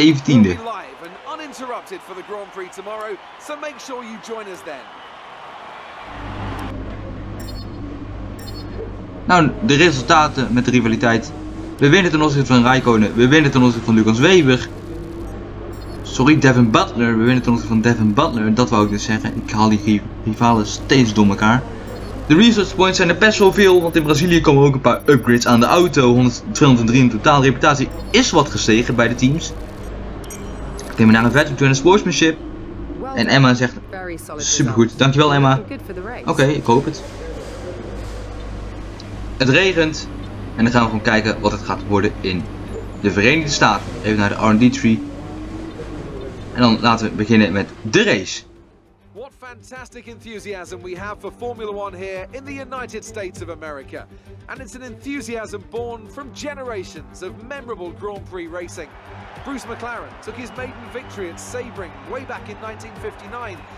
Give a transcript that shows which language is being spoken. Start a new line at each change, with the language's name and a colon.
English: Uninterrupted for the Grand Prix tomorrow, so make sure you join us then.
Dutch: Nou, de resultaten met de rivaliteit. We winnen ten opzichte van Raikkonen, we winnen ten opzichte van Lucas Weber. Sorry, Devin Butler, we winnen ten opzichte van Devin Butler, dat wou ik dus zeggen. Ik haal die rivalen steeds door elkaar. De resource points zijn er best wel veel, want in Brazilië komen ook een paar upgrades aan de auto. 203 in totaal, reputatie is wat gestegen bij de teams. Ik neem me naar een veteran in de sportsmanship. En Emma zegt, supergoed, dankjewel Emma. Oké, ik hoop het. Het regent. En dan gaan we gewoon kijken wat het gaat worden in de Verenigde Staten. Even naar de R&D tree. En dan laten we beginnen met de race.
English: What fantastic enthusiasm we have for Formula 1 here in the United States of America. And it's an enthusiasm born from generations of memorable Grand Prix racing. Bruce McLaren took his maiden victory at Sebring way back in 1959.